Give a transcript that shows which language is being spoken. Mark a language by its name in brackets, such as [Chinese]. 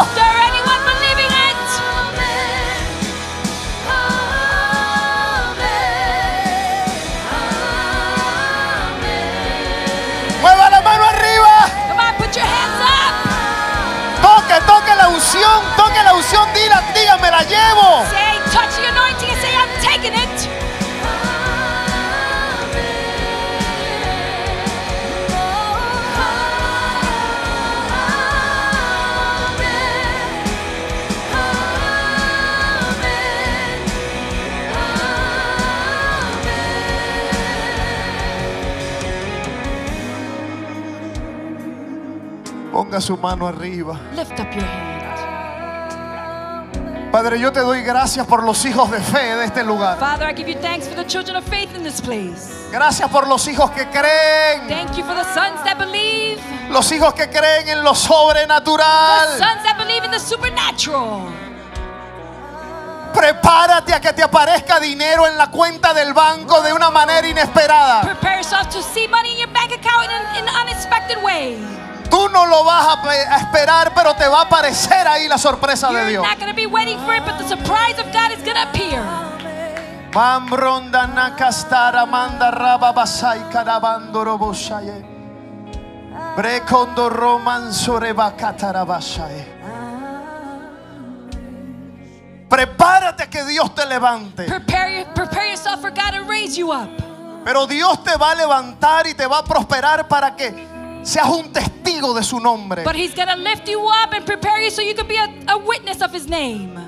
[English] Is there anyone believing it? [Spanish] Mueva la mano arriba. [English] Come on, put your hands up. [Spanish] Toque, toque la unción, dila, diga, me la llevo. [English] Say, touch the anointing and say, I'm taking it. [Spanish] Ponga su mano arriba. [English] Lift up your hand. [Spanish] Padre, yo te doy gracias por los hijos de fe de este lugar. [English] Father, I give you thanks for the children of faith in this place. [Spanish] Gracias por los hijos que creen. [English] Thank you for the sons that believe. [Spanish] Los hijos que creen en lo sobrenatural. [English] The sons that believe in the supernatural. [Spanish] Prepárate a que te aparezca dinero en la cuenta del banco de una manera inesperada. [English] Prepare yourself to see money in your bank account in an unexpected way. [Spanish] Tú no lo vas a esperar, pero te va a aparecer ahí la sorpresa de Dios. [English] You're not going to be waiting for it, but the surprise of God is going to appear. Mambronda nakastara manda raba basai karabando roboshaye. Brekondo romansore bakatara basaye. [Spanish] Prepárate que Dios te levante. [English] Prepare yourself for God to raise you up. [Spanish] Pero Dios te va a levantar y te va a prosperar para que seas un testigo de su nombre. [English] But he's gonna lift you up and prepare you so you can be a witness of his name.